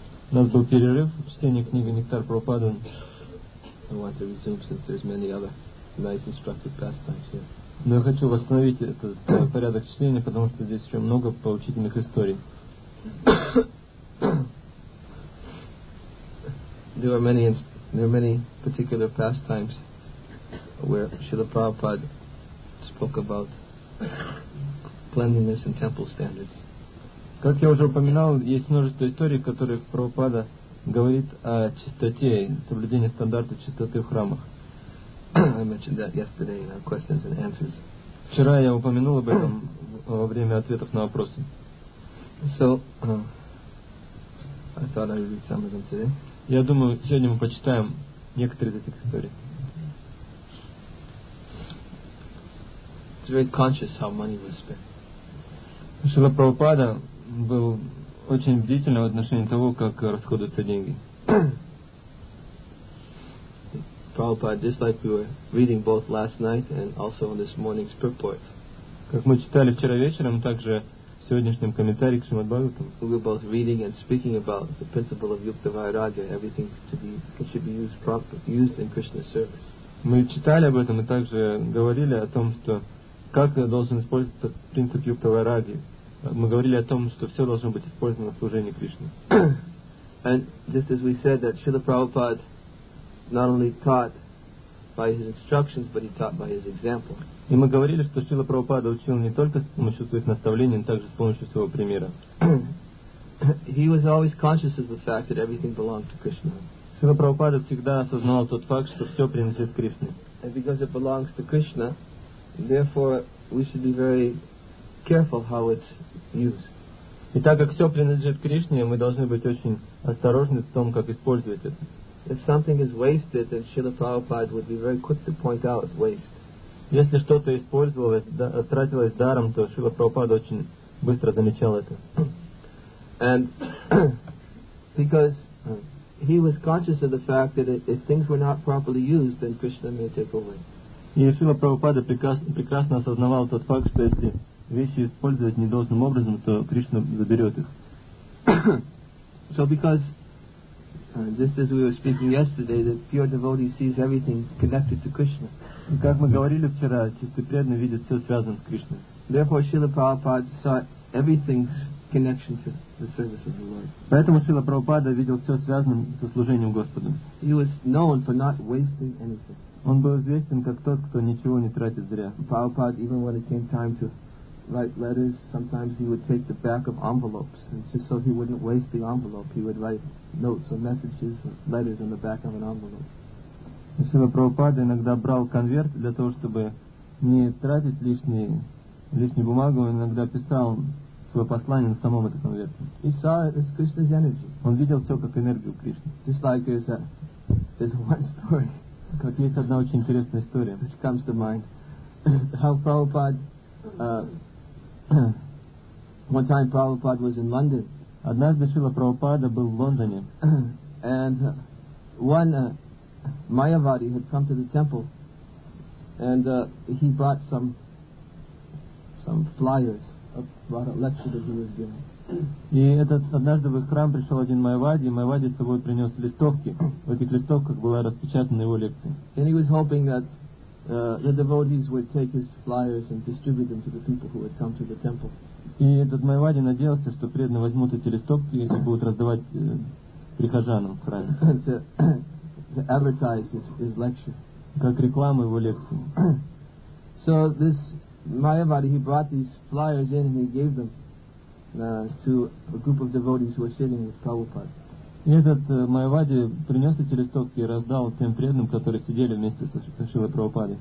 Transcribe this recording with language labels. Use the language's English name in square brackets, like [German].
[Russian] У нас был перерыв в чтении книги «Нектар Прабхупады». [English] I want to resume since there's many other nice instructive pastimes here. [Russian] Но я хочу восстановить этот порядок чтения, потому что здесь еще много поучительных историй. [English] There are many particular pastimes where Srila Prabhupada spoke about cleanliness and temple standards. [Russian] Как я уже упоминал, есть множество историй, в которых Прабхупада говорит о чистоте, соблюдении стандарта чистоты в храмах. [English] I mentioned that yesterday in our questions and answers. [Russian] Вчера я упомянул об этом во время ответов на вопросы. [English] So, I thought I would read some of them today. [Russian] Я думаю, сегодня мы почитаем некоторые из этих историй. [English] It's very conscious how money was spent. [Russian] Шрила Прабхупада был очень бдительным в отношении того, как расходуются деньги. [English] Prabhupada, just like we were reading both last night and also on this morning's purport. [Russian] Как мы читали вчера вечером, также в сегодняшнем комментарии к Шримад Бхагаватам. [English] We were both reading and speaking about the principle of Yukta Vairagya, everything to be it should be used properly, used in Krishna's service. [Russian] Мы читали об этом и также говорили о том, что как должен использоваться принцип Юкта Вайрагьи. Мы говорили о том, что все должно быть использовано в служении Кришне. [English] And just as we said that Srila Prabhupada not only taught by his instructions, but he taught by his example. [Russian] И мы говорили, что Шрила Прабхупада учил не только с помощью своих наставлений, но также с помощью своего примера. [English] He was always conscious of the fact that everything belonged to Krishna. [Russian] Шрила Прабхупада всегда осознавал тот факт, что все принадлежит Кришне. [English] And because it belongs to Krishna, therefore we should be very careful how it's used. [Russian] И так как все принадлежит Кришне, мы должны быть очень осторожны в том, как использовать это. [English] If something is wasted, then Srila Prabhupada would be very quick to point out waste. [Russian] Если что-то использовалось, тратилось даром, то Шрила Прабхупада очень быстро замечал это. [English] And because he was conscious of the fact that if things were not properly used, then Krishna may take away. [Russian] И Шрила Прабхупада прекрасно осознавал тот факт, что если вещи использовать не должным образом, то Кришна заберет их. [English] So because just as we were speaking yesterday, the pure devotee sees everything connected to Krishna. [Russian] Как мы говорили вчера, чистый преданный видит все связанное с Кришной. [English] Therefore, Srila Prabhupada saw everything's connection to the service of the Lord. [Russian] Поэтому Srila Prabhupada видел все связанным со служением Господу. [English] He was known for not wasting anything. [Russian] Он был известен как тот, кто ничего не тратит зря. [English] Prabhupada, even when it came time to write letters, sometimes he would take the back of envelopes, and just so he wouldn't waste the envelope, he would write notes or messages or letters on the back of an envelope. [Russian] Шрила Прабхупада иногда брал конверт для того, чтобы не тратить лишнюю бумагу, он иногда писал свое послание на самом этом конверте. [English] He saw it as Krishna's energy. [Russian] Он видел все как энергию Кришны. [English] Just like there's one story. [Russian] Как есть одна очень интересная история. [English] Which comes to mind. How Prabhupada one time Prabhupada was in London. [Russian] Однажды Шрила Прабхупада был в Лондоне. [English] And one Mayavadi had come to the temple and he brought some flyers about a lecture that he was giving. [Russian] И этот однажды в их храм пришел один Майавади, и Майавади с собой принес листовки. В этих листовках была распечатана его лекция. [English] And he was hoping that the devotees would take his flyers and distribute them to the people who had come to the temple. [Russian] И этот Майавади надеялся, что преданные возьмут эти листовки и будут раздавать прихожанам в храме. [English] To advertise his lecture. [Russian] Как рекламу его лекции. [English] So this Mayavadi, he brought these flyers in and he gave them to a group of devotees who were sitting with Prabhupada. [Russian] И этот Майавади принес эти листовки и раздал тем преданным, которые сидели вместе со Шрилой Прабхупадой.